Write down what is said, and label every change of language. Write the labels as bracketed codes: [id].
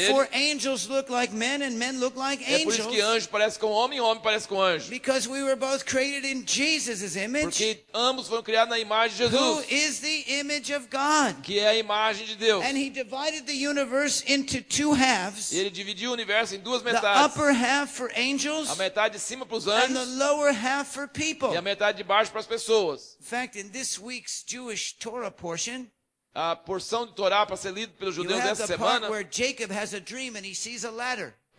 [en] Therefore angels look like men and men look like [pt] É por isso que anjo parece com homem e homem parece com anjo. [en] Because we were both created in Jesus's image. [pt] Porque ambos foram criados na imagem de Jesus. [en] Who is the image of God? [pt] Que é a imagem de Deus. [en] And he divided the universe into two halves. [pt] Ele dividiu o universo em duas metades. [en] The upper half for angels. [pt] A metade de cima para os anjos. [en] And the lower half for people. [pt] E a metade de baixo para as pessoas. [en] In fact, in this week's Jewish Torah portion. [pt] A porção de Torá para ser lida pelos judeus [en] you [pt] dessa [en] have the [pt] semana. [en] Part where Jacob has a dream and he sees a ladder.